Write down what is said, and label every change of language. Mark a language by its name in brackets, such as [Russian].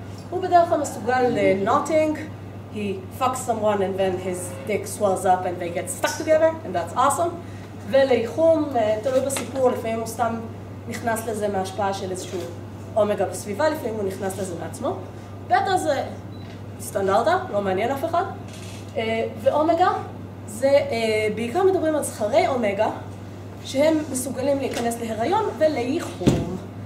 [Hebrew] הוא בדרך כלל מסוגל לנוטינג. [English] He fucks someone and then his dick swells up and they get stuck together and that's awesome. [Hebrew] ולאיחום, תלוי בסיפור, לפעמים הוא סתם נכנס לזה מההשפעה של איזשהו אומגה בסביבה, לפעמים הוא נכנס לזה מעצמו. בטא זה סטנדרטה, לא מעניין אף אחד. ואומגה זה, בעיקר מדברים על זכרי אומגה, שהם מסוגלים להיכנס להיריון ולאיחום.